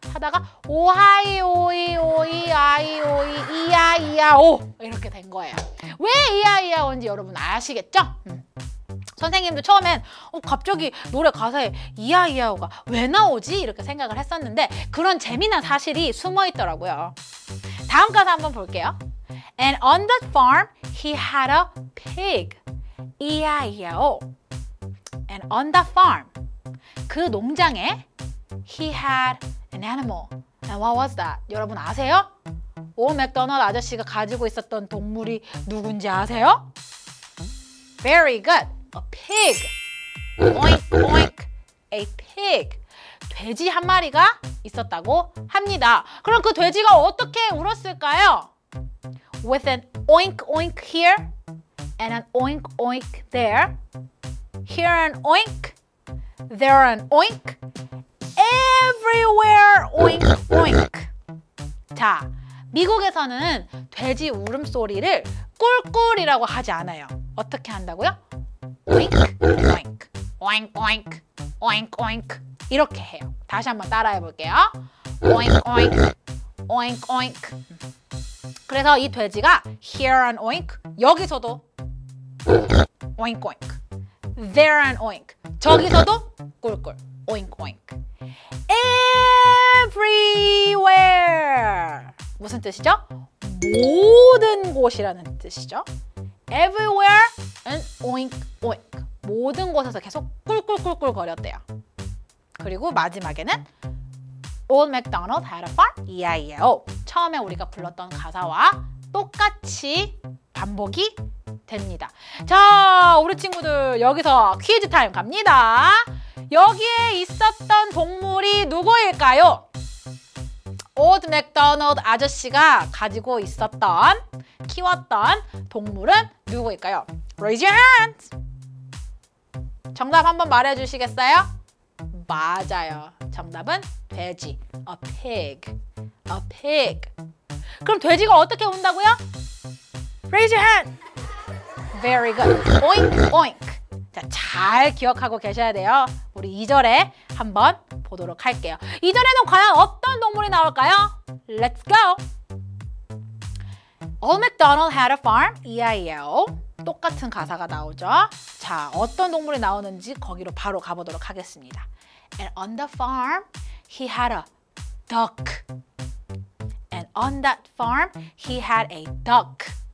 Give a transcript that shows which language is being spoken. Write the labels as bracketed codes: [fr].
[ko] 하다가 오하이오이오이아이오이 이야이야오 이렇게 된 거예요. 왜 이야이야오인지 여러분 아시겠죠? 선생님도 처음엔 갑자기 노래 가사에 이야이야오가 왜 나오지? 이렇게 생각을 했었는데 그런 재미난 사실이 숨어있더라고요. 다음 가사 한번 볼게요. [en] And on that farm he had a pig. 이야이야오. And on that farm. [ko] 그 농장에 [en] he had an animal. And what was that? [ko] 여러분 아세요? 오 맥도널 아저씨가 가지고 있었던 동물이 누군지 아세요? [en] Very good. A pig. Oink, oink. A pig. [ko] 돼지 한 마리가 있었다고 합니다. 그럼 그 돼지가 어떻게 울었을까요? [en] With an oink, oink here. And an oink, oink there. Here an oink. There an oink. Everywhere oink, oink. [ko] 자, 미국에서는 돼지 울음소리를 꿀꿀이라고 하지 않아요. 어떻게 한다고요? [en] Oink, oink. Oink, oink. Oink, oink. [ko] 이렇게 해요. 다시 한번 따라해 볼게요. [en] Oink, oink. Oink, oink. [ko] 그래서 이 돼지가 [en] Here an oink. [ko] 여기서도 [en] Oink, oink. There an oink. [ko] 저기서도 꿀꿀. [en] Oink, oink. [ko] Everywhere. 무슨 뜻이죠? 모든 곳이라는 뜻이죠. [en] Everywhere an oink, oink. [ko] 모든 곳에서 계속 꿀꿀꿀꿀 거렸대요. 그리고 마지막에는 [en] Old MacDonald had a farm. [ko] 이야이야오. 처음에 우리가 불렀던 가사와 똑같이 반복이 됩니다. 자, 우리 친구들 여기서 퀴즈 타임 갑니다. 여기에 있었던 동물이 누구일까요? Old MacDonald 아저씨가 가지고 있었던, 키웠던 동물은 누구일까요? [en] Raise your hands! [ko] 정답 한번 말해주시겠어요? 맞아요. 정답은 돼지. [en] A pig. A pig. [ko] 그럼 돼지가 어떻게 운다고요? [en] Raise your hand. Very good. Oink, oink. [ko] 자, 잘 기억하고 계셔야 돼요. 우리 2절에 한번 보도록 할게요. 2절에는 과연 어떤 동물이 나올까요? [en] Let's go. Old MacDonald had a farm. [ko] E-I-E-O. 똑같은 가사가 나오죠. 자, 어떤 동물이 나오는지 거기로 바로 가보도록 하겠습니다. [en] And on the farm, he had a duck. And on that farm, he had a duck.